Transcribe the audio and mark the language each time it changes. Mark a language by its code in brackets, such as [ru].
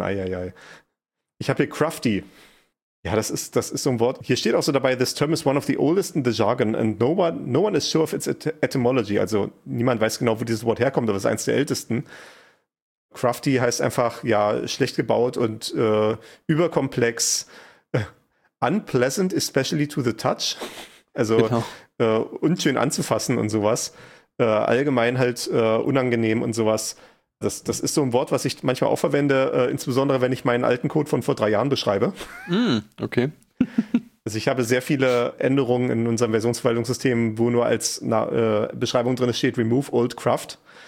[de] Eieiei. Ich habe hier crafty. Ja, das ist so ein Wort. Hier steht auch so dabei, [en] this term is one of the oldest in the jargon and no one is sure of its etymology. [de] Also niemand weiß genau, wo dieses Wort herkommt, aber es ist eins der ältesten. Crafty heißt einfach, ja, schlecht gebaut und überkomplex. [en] Unpleasant, especially to the touch. [de] Also genau. Unschön anzufassen und sowas. Allgemein halt unangenehm und sowas. Das ist so ein Wort, was ich manchmal auch verwende, insbesondere wenn ich meinen alten Code von vor 3 Jahren beschreibe. Mm, okay. Also ich habe sehr viele Änderungen in unserem Versionsverwaltungssystem, wo nur als Beschreibung drin steht, [en] remove old craft.